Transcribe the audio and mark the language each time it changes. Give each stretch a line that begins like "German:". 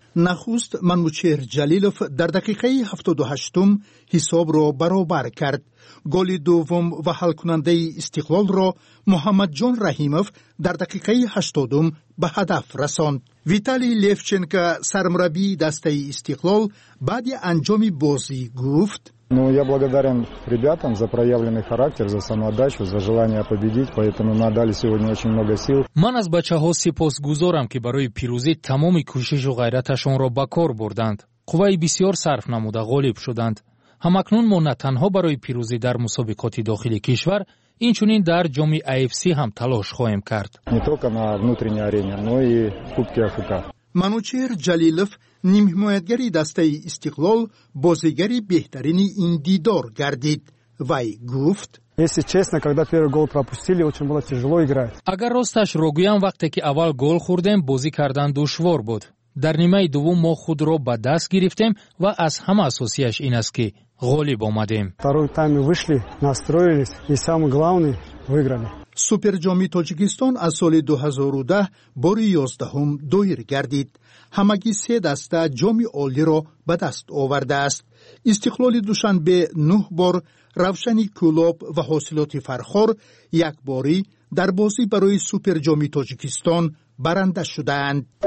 Persian: نخست منوچهر جلیلوف در دقیقه 78 حساب را برابر کرد. گل دوم و حل کننده استقلال را محمد جان رحیموف در دقیقه 80 به هدف رساند. ویتالی لیفچنکا سرمربی دسته استقلال بعد انجام بازی گفت:
Russian: Ну, я благодарен ребятам за проявленный характер, за самоотдачу, за желание победить, поэтому мы отдали сегодня очень много сил.
Tajik: Ман аз бачаҳо сипосгузорам, ки барои пирӯзӣ тамоми кӯшишу ғайраташонро ба кор бурданд. Қувваи бисёр сарф намуда ғолиб шуданд. Ҳамакнун мо на танҳо барои пирӯзӣ дар мусобиқоти дохили кишвар, инчунин дар ҷоми AFC ҳам талош хоҳем кард.
Russian: Не только на внутренней арене, но и Кубке АФК.
Persian: Манучер Джалилов نیمه‌مایدگری دسته استقلال بازیگری بهترین این دیدار گردید. وی گفت:
Russian: Если честно, когда первый гол пропустили, очень было тяжело играть.
Tajik: Агар росташ ро гуям, вақте ки аввал гол хурдем, бози кардан душвор буд. Дар нимаи дуввум мо худро ба даст гирифтем ва аз ҳама асосиаш ин аст ки ғолиб омадем.
Russian: Второй тайм вышли, настроились и самое главное выиграли.
Tajik: Суперҷоми Тоҷикистон аз соли 2010 бори 11-ум доир гардид. Ҳамагӣ се даста ҷоми олиро ба даст овардааст. Истиқлоли Душанбе 9 бор, Равшани Кӯлоб ва Ҳосилоти Фархор як бори дар бозӣ барои суперҷоми Тоҷикистон баранда шудаанд.